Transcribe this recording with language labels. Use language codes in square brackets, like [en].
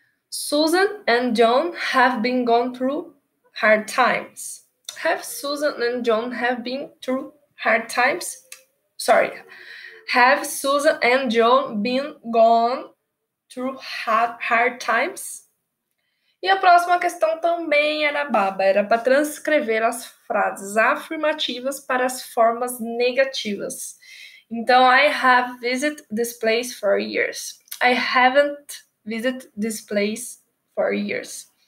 [en] Susan and John have been gone through hard times. Have Susan and John have been through hard times? Sorry. Have Susan and John been gone through hard times? [pt] E a próxima questão também era baba, era para transcrever as frases afirmativas para as formas negativas. Então, [en] I have visited this place for years. I haven't visited this place for years.